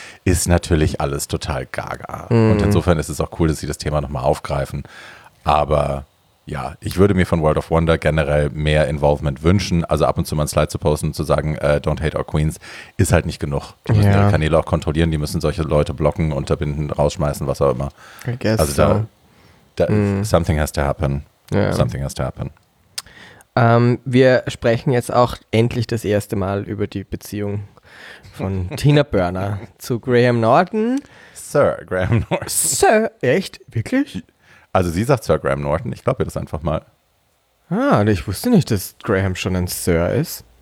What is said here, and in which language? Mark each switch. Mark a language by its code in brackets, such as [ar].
[de] Das ist natürlich alles total gaga. Mhm. Und insofern ist es auch cool, dass sie das Thema nochmal aufgreifen. Aber ja, ich würde mir von World of Wonder generell mehr Involvement wünschen. Also ab und zu mal ein Slide zu posten und zu sagen, [en] don't hate our queens, [de] ist halt nicht genug. Die müssen ihre Kanäle auch kontrollieren, die müssen solche Leute blocken, unterbinden, rausschmeißen, was auch immer. [en] I guess also something has to happen. Yeah. Something has to happen. [de] Wir sprechen jetzt auch endlich das erste Mal über die Beziehung von Tina Burner zu Graham Norton. Sir Graham Norton. Sir? Echt? Wirklich? Also sie sagt Sir Graham Norton, ich glaube ihr das einfach mal. Ah, ich wusste nicht, dass Graham schon ein Sir ist.